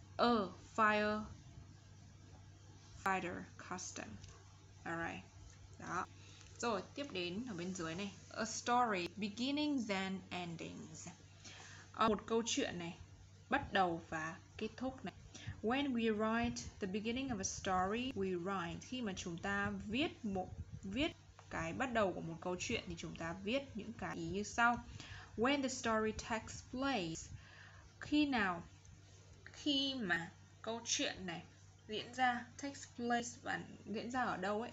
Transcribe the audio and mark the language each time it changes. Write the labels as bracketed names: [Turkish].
[English] A firefighter costume. Alright. Đó. [Vietnamese] Rồi, tiếp đến ở bên dưới này. [English] A story beginnings and endings. [Vietnamese] Một câu chuyện này bắt đầu và kết thúc này. [English] When we write the beginning of a story, we write. [Vietnamese] Khi mà chúng ta viết cái bắt đầu của một câu chuyện thì chúng ta viết những cái ý như sau. [English] When the story takes place. [Vietnamese] Khi nào? Khi mà câu chuyện này diễn ra, takes place và diễn ra ở đâu ấy?